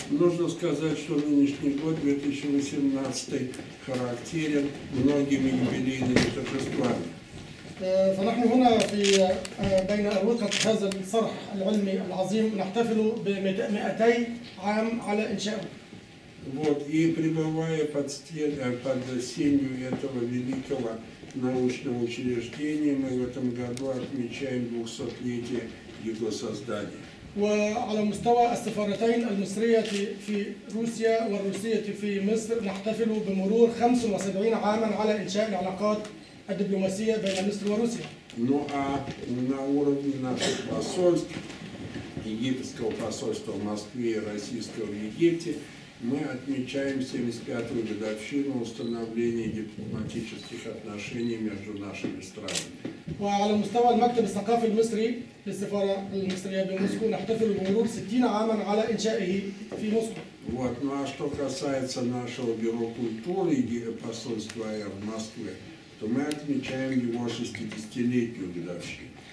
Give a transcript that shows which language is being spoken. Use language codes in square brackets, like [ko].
[ru] Нужно сказать, что нынешний год 2018 характерен многими юбилейными торжествами. [ar] فنحن هنا في بين أروقة هذا الصرح العلمي العظيم نحتفل ب200 عام على إنشائه. [ru] Вот и пребывая под сенью этого великого научного учреждения мы в этом году отмечаем 200-летие его создания. [ar] وعلى مستوى السفارتين المصرية في روسيا والروسية في مصر نحتفل بمرور 75 عاما على إنشاء العلاقات الدبلوماسية بين مصر وروسيا. [ru] Ну а на уровне наших посольств, египетского посольства в Москве и российского в Египте, мы отмечаем 75-ю годовщину установления дипломатических отношений между нашими странами. [ar] وعلى مستوى المكتب الثقافي المصري للسفارة المصرية بموسكو نحتفل بمرور 60 عاما على إنشائه في موسكو. [ru] Вот. Ну а что касается нашего бюро культуры и посольства в Москве, то мы отмечаем его 60-летнюю годовщину.